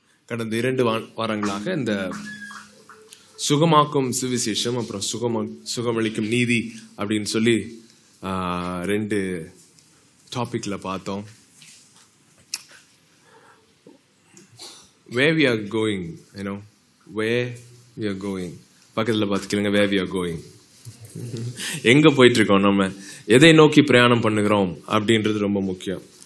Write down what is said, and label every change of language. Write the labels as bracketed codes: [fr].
[ta] கடந்த 2 வாரங்களாக இந்த சுகமாக்கும் சுவிசேஷம் அப்புறம் சுகமளிக்கும் நீதி அப்படின்னு சொல்லி ரெண்டு டாபிக்ல பார்த்தோம். [en] Where we are going, you know, where we are going. [ta] பக்கத்தில் பார்த்துக்கலங்க, [en] where we are going. [ta] எங்க போயிட்டு இருக்கோம், நம்ம எதை நோக்கி பிரயாணம் பண்ணுகிறோம் அப்படின்றது ரொம்ப முக்கியம்.